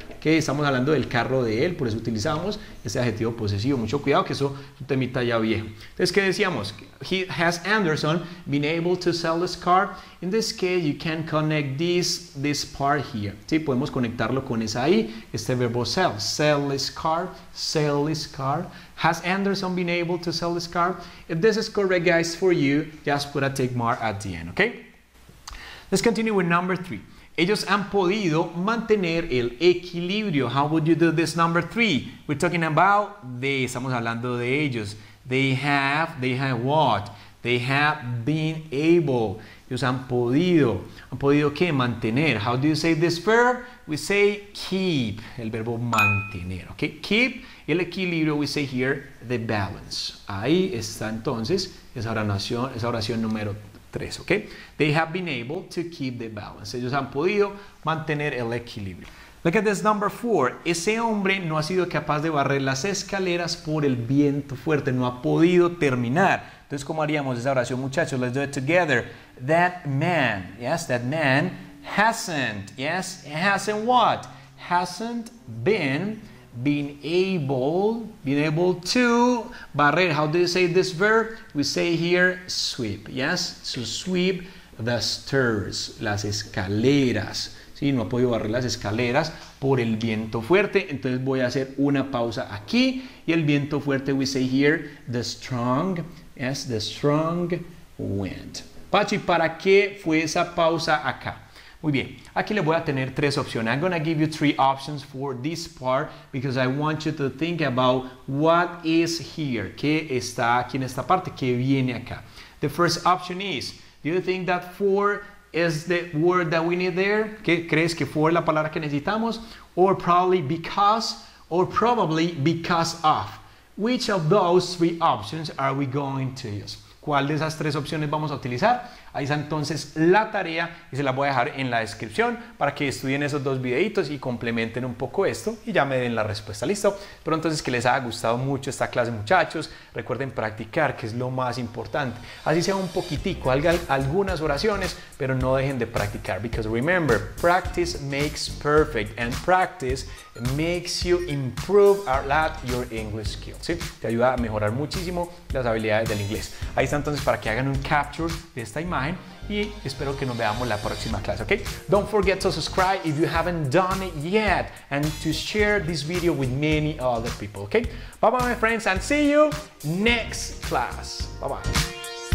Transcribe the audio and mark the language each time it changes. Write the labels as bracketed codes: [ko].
[es] Okay, estamos hablando del carro de él, por eso utilizamos ese adjetivo posesivo. Mucho cuidado, que eso es un temita ya viejo. Entonces, ¿qué decíamos? [en] Has Anderson been able to sell his car? In this case, you can connect this part here. [es] Sí, podemos conectarlo con esa ahí, este verbo sell. [en] Sell this car, sell this car. Has Anderson been able to sell this car? If this is correct, guys, for you, just put a tick mark at the end, okay? Let's continue with number three. [es] Ellos han podido mantener el equilibrio. [en] How would you do this number three? We're talking about they. [es] Estamos hablando de ellos. [en] They have what? They have been able. [es] Ellos han podido. ¿Han podido qué? Mantener. [en] How do you say this verb? We say keep. [es] El verbo mantener. [en] Okay? Keep [es] el equilibrio. [en] We say here the balance. [es] Ahí está entonces esa oración número 3. Okay? [en] They have been able to keep the balance. [es] Ellos han podido mantener el equilibrio. [en] Look at this number 4. [es] Ese hombre no ha sido capaz de barrer las escaleras por el viento fuerte. No ha podido terminar. Entonces, ¿cómo haríamos esa oración, muchachos? [en] Let's do it together. That man, yes, that man hasn't, yes, hasn't what? Hasn't been able to barrer. How do you say this verb? We say here sweep, yes? So sweep the stairs, [es] las escaleras. Sí, no ha podido barrer las escaleras por el viento fuerte. Entonces voy a hacer una pausa aquí. Y el viento fuerte, [en] we say here, the strong, yes, the strong wind. [es] Pachi, ¿para qué fue esa pausa acá? Muy bien, aquí le voy a tener tres opciones. [en] I'm going to give you three options for this part because I want you to think about what is here. [es] ¿Qué está aquí en esta parte? ¿Qué viene acá? [en] The first option is, do you think that for is the word that we need there? [es] ¿Qué crees que fue la palabra que necesitamos? [en] Or probably because, or probably because of. Which of those three options are we going to use? [es] ¿Cuál de esas tres opciones vamos a utilizar? Ahí está entonces la tarea y se la voy a dejar en la descripción para que estudien esos dos videitos y complementen un poco esto y ya me den la respuesta. ¿Listo? Pero entonces que les haya gustado mucho esta clase, muchachos. Recuerden practicar, que es lo más importante. Así sea un poquitico, algunas oraciones, pero no dejen de practicar. [en] Because remember, practice makes perfect and practice makes you improve a lot your English skills. [es] ¿Sí? Te ayuda a mejorar muchísimo las habilidades del inglés. Ahí está entonces para que hagan un capture de esta imagen y espero que nos veamos la próxima clase, ¿ok? [en] Don't forget to subscribe if you haven't done it yet and to share this video with many other people, ¿ok? Bye bye, my friends, and see you next class. Bye bye.